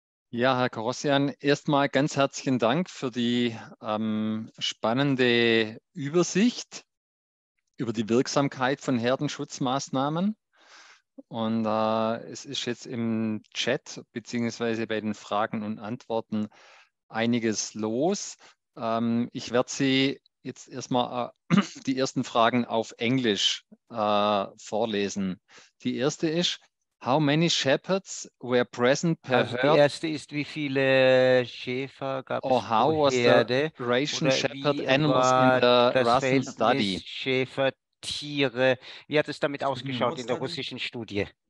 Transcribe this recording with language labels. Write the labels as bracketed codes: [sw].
[de] Ja, Herr Karossian, erstmal ganz herzlichen Dank für die spannende Übersicht über die Wirksamkeit von Herdenschutzmaßnahmen. Und es ist jetzt im Chat bzw. bei den Fragen und Antworten einiges los. Ich werde Sie jetzt erstmal die ersten Fragen auf Englisch vorlesen. Die erste ist: [en] How many shepherds were present per herd? [de] Also die erste ist, wie viele Schäfer gab es pro Herde? [en] How was the ration shepherd animals in the Russian study? [de] Schäfertiere. Wie hat es damit ausgeschaut in der russischen Studie?